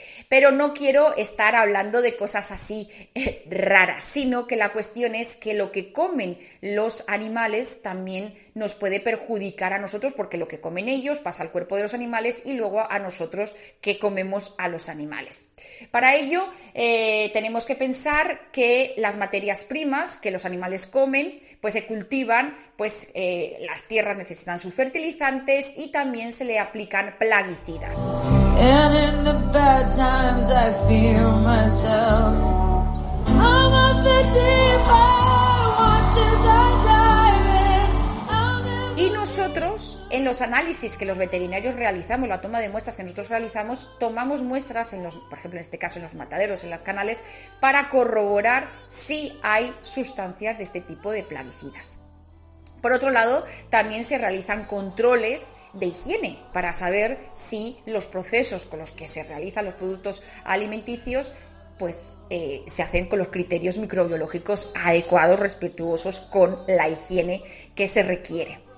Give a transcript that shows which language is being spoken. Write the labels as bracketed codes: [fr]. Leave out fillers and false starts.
[es] Pero no quiero estar hablando de cosas así raras, sino que la cuestión es que lo que comen los animales también nos puede perjudicar a nosotros, porque lo que comen ellos pasa al cuerpo de los animales y luego a nosotros que comemos a los animales. Para ello, tenemos que pensar que las materias primas que los animales comen, pues se cultivan, pues las tierras necesitan sus fertilizantes y también se le aplican plaguicidas. [en] And in the bad times I fear myself. I'm of the deep, I watch as I dive in. [es] Y nosotros, en los análisis que los veterinarios realizamos, la toma de muestras que nosotros realizamos, tomamos muestras en los, por ejemplo, en este caso en los mataderos, en las canales, para corroborar si hay sustancias de este tipo de plaguicidas. Por otro lado, también se realizan controles de higiene para saber si los procesos con los que se realizan los productos alimenticios, pues se hacen con los criterios microbiológicos adecuados, respetuosos con la higiene que se requiere.